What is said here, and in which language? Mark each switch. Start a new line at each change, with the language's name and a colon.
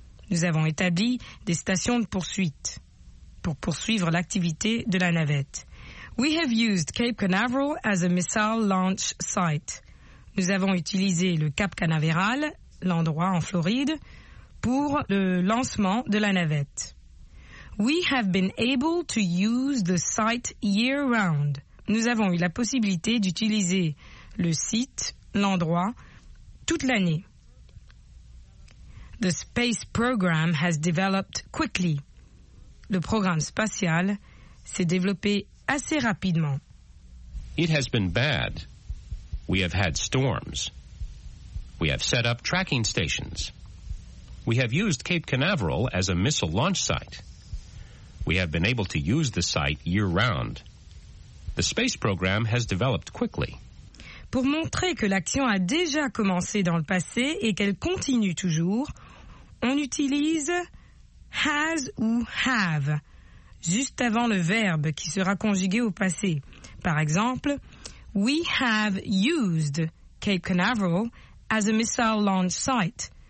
French: Nous avons établi des stations de poursuite pour poursuivre l'activité de la navette.
English: We have used Cape Canaveral as a missile launch site.
French: Nous avons utilisé le Cap Canaveral, l'endroit en Floride, pour le lancement de la navette.
English: We have been able to use the site year round.
French: Nous avons eu la possibilité d'utiliser le site, l'endroit, toute l'année.
English: The space program has developed quickly.
French: Le programme spatial s'est développé assez rapidement.
English: It has been bad. We have had storms. We have set up tracking stations. We have used Cape Canaveral as a missile launch site. We have been able to use the site year-round. The space program has developed quickly.
French: pour montrer que l'action a déjà commencé dans le passé et qu'elle continue toujours, on utilise has ou have juste avant le verbe qui sera conjugué au passé. Par exemple,
English: we have used Cape Canaveral as a missile launch site.